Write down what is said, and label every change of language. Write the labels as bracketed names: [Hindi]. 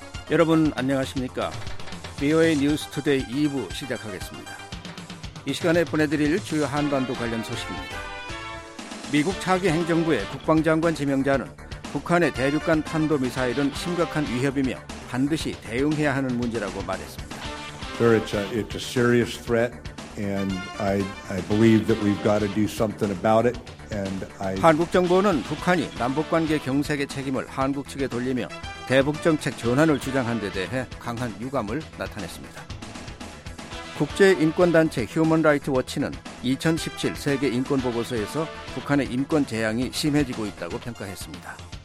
[Korean] 여러분 안녕하십니까? VOA News Today 2부 시작하겠습니다. 이 시간에 보내드릴 주요 한반도 관련 소식입니다. 미국 차기 행정부의 국방장관 지명자는 북한의 대륙간 탄도미사일은 심각한 위협이며 반드시 대응해야 하는 문제라고 말했습니다. [English] Sir, it's a serious threat. And I believe that we've got to do something about it. And I [Korean] 한국 정부는 북한이 남북 관계 경색의 책임을 한국 측에 돌리며 대북 정책 전환을 주장한 데 대해 강한 유감을 나타냈습니다. 국제 인권 단체 Human Rights Watch는 2017 세계 인권 보고서에서 북한의 인권 재앙이 심해지고 있다고 평가했습니다.